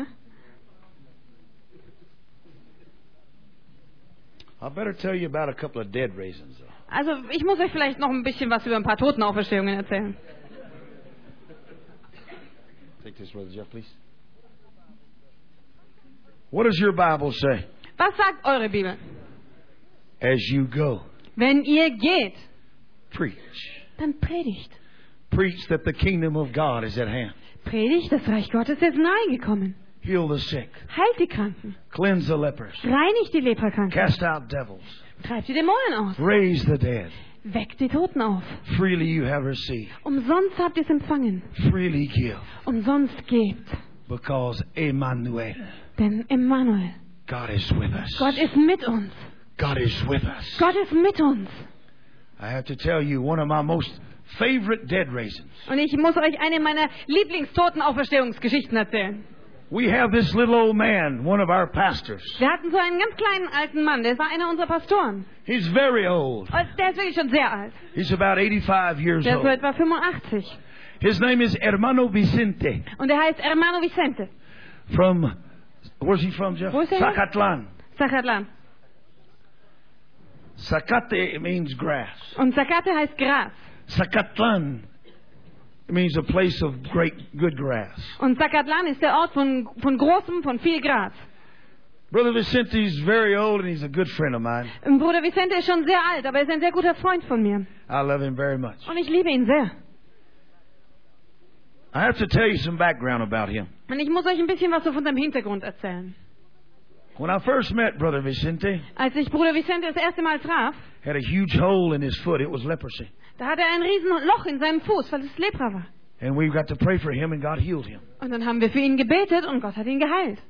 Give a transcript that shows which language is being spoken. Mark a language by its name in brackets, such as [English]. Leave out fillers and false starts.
[English] Huh? I better tell you about a couple of dead raisins, though. [German] Also, ich muss euch vielleicht noch ein bisschen was über ein paar Totenauferstehungen erzählen. [English] Take this, Brother Jeff, please. What does your Bible say? [German] Was sagt eure Bibel? [English] As you go, [German] wenn ihr geht, [English] preach, [German] dann predigt. [English] Preach that the kingdom of God is at hand. [German] Predigt, das Reich Gottes ist nahe gekommen. [English] Heal the sick. [German] Heilt die Kranken. [English] Cleanse the lepers. [German] Reinigt die Leprakranken. [English] Cast out devils. [German] Treibt die Dämonen aus. [English] Raise the dead. [German] Weckt die Toten auf. [English] Freely you have received. [German] Umsonst habt ihr es empfangen. [English] Freely give. [German] Umsonst gebt. [English] Because Emmanuel. [German] Denn Emmanuel. [English] God is with us. [German] Gott ist mit uns. [English] God is with us. [German] Gott ist mit uns. [English] I have to tell you one of my most favorite dead raisins. [German] Und ich muss euch eine meiner Lieblingstotenauferstehungsgeschichten erzählen. [English] We have this little old man, one of our pastors. [German] Wir hatten so einen ganz kleinen alten Mann, der war einer unserer Pastoren. [English] He's very old. [German] Und der ist wirklich schon sehr alt. [English] He's about 85 years old. [German] Der ist so etwa 85. [English] His name is Hermano Vicente. [German] Und er heißt Hermano Vicente. [English] From where's he from, Jeff? Zacatlan. [German] Zacatlan. [English] Zacate means grass. [German] Und Zacate heißt Gras. [English] Zacatlan means a place of great, good grass. [German] Und Zacatlan ist der Ort von großem, von viel Gras. [English] Brother Vicente is very old and he's a good friend of mine. [German] Und Bruder Vicente ist schon sehr alt, aber er ist ein sehr guter Freund von mir. [English] I love him very much. [German] Und ich liebe ihn sehr. [English] I have to tell you some background about him. [German] Und ich muss euch ein bisschen was von seinem Hintergrund erzählen. [English] When I first met Brother Vicente, [German] als ich Bruder Vicente das erste Mal traf, [English] had a huge hole in his foot. It was leprosy. [German] Da hatte er ein riesen Loch in seinem Fuß, weil es Lepra war. [English] And we got to pray for him, and God healed him. [German] Und dann haben wir für ihn gebetet, und Gott hat ihn geheilt.